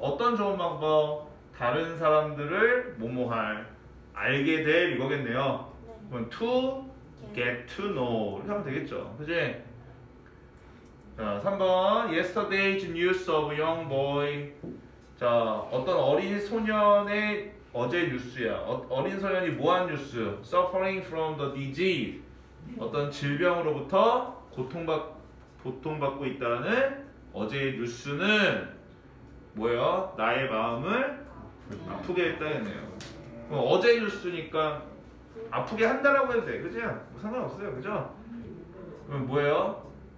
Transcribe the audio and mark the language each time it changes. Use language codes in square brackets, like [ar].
[ko] 어떤 좋은 방법? 다른 사람들을 뭐뭐할, 알게 될 이거겠네요. 그럼 [en] to get to know [ko] 이렇게 하면 되겠죠. 그치? 자, 3번 [en] Yesterday's news of young boy. [ko] 자, 어떤 어린 소년의 어제 뉴스야. 어린 소년이 뭐한 뉴스? [en] Suffering from the disease. [ko] 어떤 질병으로부터 고통받고 있다는 어제의 뉴스는 뭐예요? 나의 마음을 아프게 했다 했네요. 그럼 어제의 뉴스니까 아프게 한다라고 해도 돼. 그치? 뭐 상관없어요. 그죠? 그럼 뭐예요?